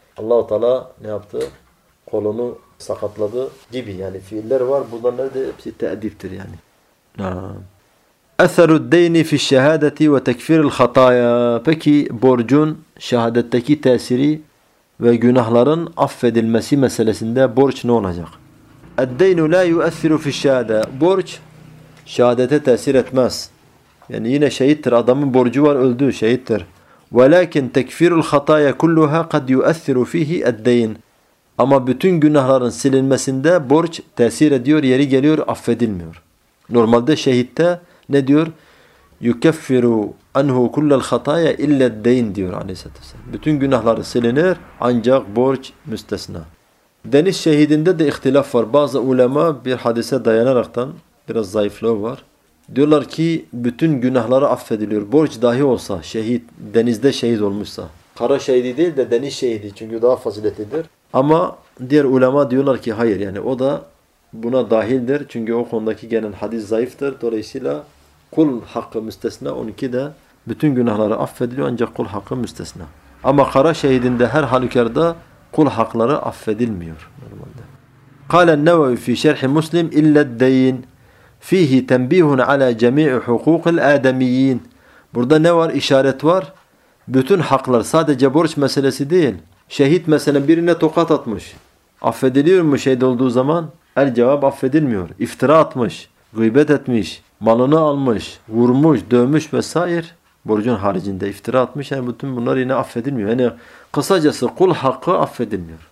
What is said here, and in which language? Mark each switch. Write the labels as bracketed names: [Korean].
[Turkish] Allah-u Teala ne yaptı? Kolunu sakatladı gibi yani fiiller var. Bunlar nerede? Hepsi teediptir yani. [Arabic] Eseru deyni fi şehadeti ve tekfiril hataya. [Turkish] Peki borcun şehadetteki tesiri ve günahların affedilmesi meselesinde borç ne olacak? [Arabic] اَدَّيْنُ لَا يُؤَثِّرُ فِي الشَّهَادَةِ [Turkish] Borç şehadete tesir etmez. Yani yine şehittir. Adamın borcu var, öldü, şehittir. [Arabic] وَلَكِنْ تَكْفِرُ الْخَطَايَ كُلُّهَا قَدْ يُؤَثِّرُ فِيهِ اَدَّيْنُ [Turkish] Ama bütün günahların silinmesinde borç tesir ediyor, yeri geliyor, affedilmiyor. Normalde şehitte ne diyor? [Arabic] يُكَفِّرُ أَنْهُ كُلَّ الْخَطَايَ اِلَّا الدَّيْنُ [Turkish] diyor aleyhisselatü vesselam. Bütün günahları silinir, ancak borç müstesna. Deniz şehidinde de ihtilaf var. Bazı ulema bir hadise dayanaraktan, biraz zayıflığı var. Diyorlar ki bütün günahları affediliyor. Borç dahi olsa, şehit, denizde şehit olmuşsa. Kara şehidi değil de deniz şehidi, çünkü daha faziletlidir. Ama diğer ulema diyorlar ki hayır, yani o da buna dahildir. Çünkü o konudaki gelen hadis zayıftır. Dolayısıyla kul hakkı müstesna, 12 de bütün günahları affediliyor ancak kul hakkı müstesna. Ama kara şehidinde her halükarda kul hakları affedilmiyor normalde. [Arabic] قَالَ النَّوَوِ فِي شَرْحِ مُسْلِمْ اِلَّا الدَّيِّنِ فِيهِ تَنْبِيهُنَ عَلَى جَمِيعُ حُقُوقِ الْآدَمِيِّينَ [Turkish] Burada ne var? İşaret var. Bütün haklar, sadece borç meselesi değil. Şehit mesela birine tokat atmış. Affediliyor mu şehit olduğu zaman? Her cevap affedilmiyor. İftira atmış, gıybet etmiş, malını almış, vurmuş, dövmüş vesaire. Borcun haricinde iftira atmış. Yani bütün bunlar yine affedilmiyor. Yani kısacası kul hakkı affedilmiyor.